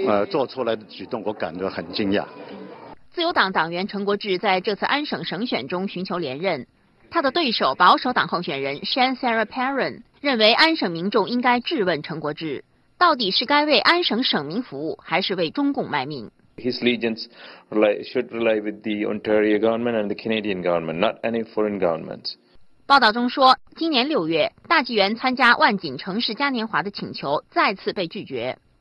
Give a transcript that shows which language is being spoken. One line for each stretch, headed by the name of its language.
Chinese: 这里的这个官员，这里的这个人民都应该，这个信仰，这个公平、自由，尤其是人权，尤其是媒体都有自由的权利。那么，我觉得他在这件事情上面，做出来的举动，我感觉很惊讶。自由 党党员陈国志在这次安省省选中寻求连任，他的对手保守党候选人 Shan Sarah Perrin 认为安省民众应该质问陈国志，到底是该为安省省民服务，还是为中共卖命？
English: His allegiance should rely with the Ontario government and the Canadian government, not any foreign governments.
Chinese: 报道中说，今年六月，大纪元参加万锦城市嘉年华的请求再次被拒绝。